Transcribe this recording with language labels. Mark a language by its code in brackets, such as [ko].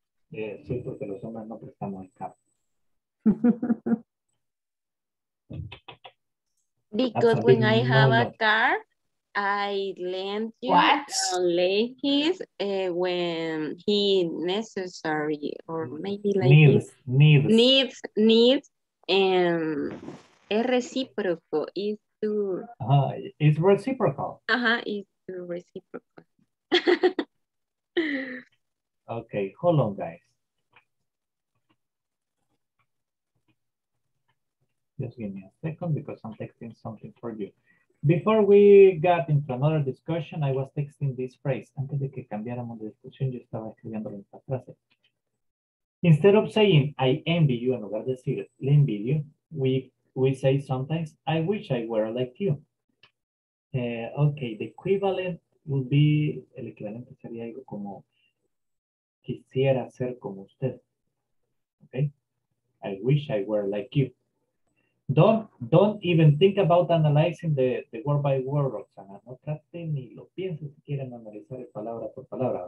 [es] Yeah, sí, porque los hombres no prestamos el carro. [en] Because when I have a car, I lend you his when he necessary or maybe like needs and es reciprocal. Is to it's reciprocal. It's to reciprocal. Okay, hold on, guys. Just give me a second because I'm texting something for you. Before we got into another discussion, I was texting this phrase. [es] Antes de que cambiáramos de discusión, yo estaba escribiendo esta frase. [en] Instead of saying, I envy you, [es] en lugar de decir, le envidio, [en] we say sometimes, I wish I were like you. Okay, the equivalent would be, [es] el equivalente sería algo como, quisiera ser como usted. Okay? [en] I wish I were like you. Don't even think about analyzing the word by word, Roxana. [es] No trate ni lo piense si quieren analizar el palabra por palabra.